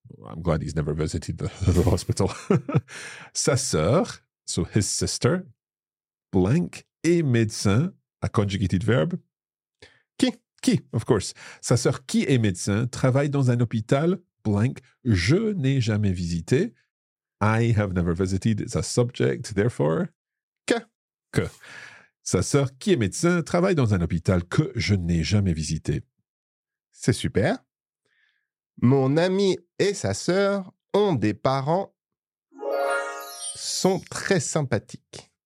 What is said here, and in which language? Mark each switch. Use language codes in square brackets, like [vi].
[en] I'm glad he's never visited the hospital. [fr] Sa sœur, [en] so his sister, blank, [fr] est médecin, [en] a conjugated verb. [fr] Qui, [en] of course. [fr] Sa sœur qui est médecin, travaille dans un hôpital, blank, je n'ai jamais visité. [en] I have never visited, it's a subject, therefore. [fr] Que. Sa sœur, qui est médecin, travaille dans un hôpital que je n'ai jamais visité. C'est super. Mon ami et sa sœur ont des parents sont très sympathiques.